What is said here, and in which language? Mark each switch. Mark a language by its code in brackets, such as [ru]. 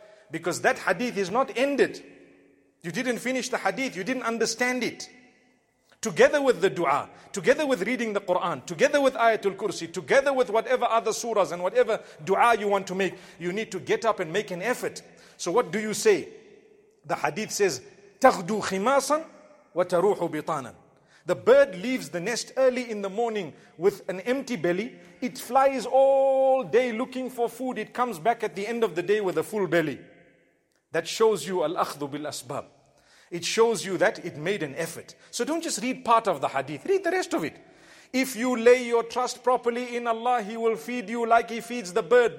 [en] Because that hadith is not ended. You didn't finish the hadith. You didn't understand it. Together with the dua, together with reading the Quran, together with Ayatul Kursi, together with whatever other surahs and whatever dua you want to make, you need to get up and make an effort. So what do you say? The hadith says, [ar] تَغْدُو خِمَاسًا وَتَرُوحُ بِطَانًا. [en] The bird leaves the nest early in the morning with an empty belly. It flies all day looking for food. It comes back at the end of the day with a full belly. That shows you al-akhdhu bil-asbab. It shows you that it made an effort. So don't just read part of the hadith. Read the rest of it. If you lay your trust properly in Allah, He will feed you like He feeds the bird.